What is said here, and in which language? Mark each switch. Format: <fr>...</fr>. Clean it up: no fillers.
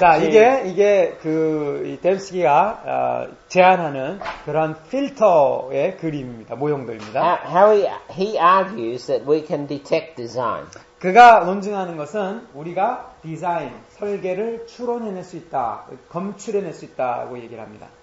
<ko>자, 이게 그 뎀스키가 제안하는 그런 필터의 그림입니다. 모형들입니다.</ko> <en>How he argues that we can detect design.</en> <ko>그가 논증하는 것은 우리가 디자인, 설계를 추론해낼 수 있다. 검출해낼 수 있다고 얘기를 합니다.</ko>